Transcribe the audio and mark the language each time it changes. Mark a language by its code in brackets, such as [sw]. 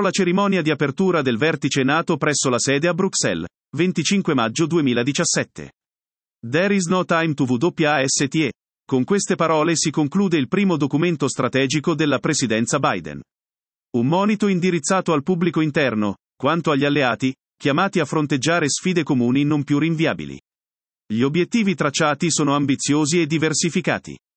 [it] La cerimonia di apertura del vertice NATO presso la sede a Bruxelles, 25 maggio 2017. [en] There is no time to WASTE. [it] Con queste parole si conclude il primo documento strategico della presidenza Biden. Un monito indirizzato al pubblico interno, quanto agli alleati, chiamati a fronteggiare sfide comuni non più rinviabili. Gli obiettivi tracciati sono ambiziosi e diversificati.